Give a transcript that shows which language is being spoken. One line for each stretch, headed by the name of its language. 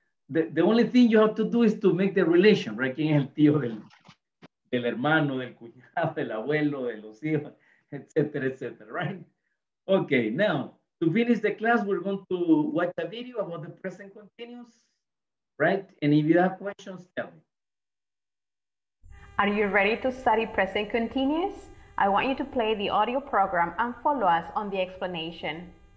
English: The only thing you have to do is to make the relation, right?
Spanish: ¿Quién es el tío del hermano, del cuñado, del abuelo, de los hijos, etcétera, etcétera, right?
English: Okay, now. To finish the class, we're going to watch a video about the present continuous, right? And if you have questions, tell me. Are you ready to study present continuous? I want you to play the audio program and follow us on the explanation.